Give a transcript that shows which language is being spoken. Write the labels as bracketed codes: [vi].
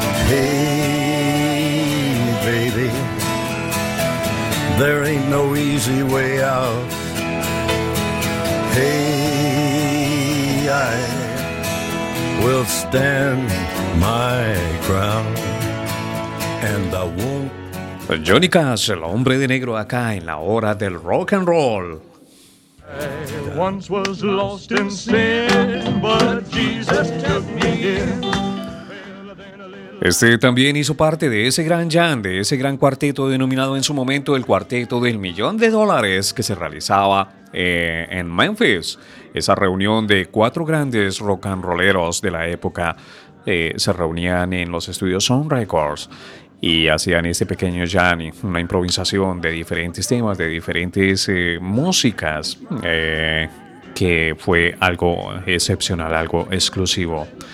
[en] Hey, baby, there ain't no easy way out. Hey, I will stand my ground, and I won't. [es] Johnny Cash, el hombre de negro, acá en la hora del rock and roll. [en] once was lost in sin, but Jesus took me in. [es] Este también hizo parte de ese gran jam, de ese gran cuarteto denominado en su momento el Cuarteto del Millón de Dólares, que se realizaba en Memphis. Esa reunión de cuatro grandes rock and rolleros de la época se reunían en los estudios Sun Records y hacían ese pequeño jam, una improvisación de diferentes temas, de diferentes músicas, que fue algo excepcional, algo exclusivo.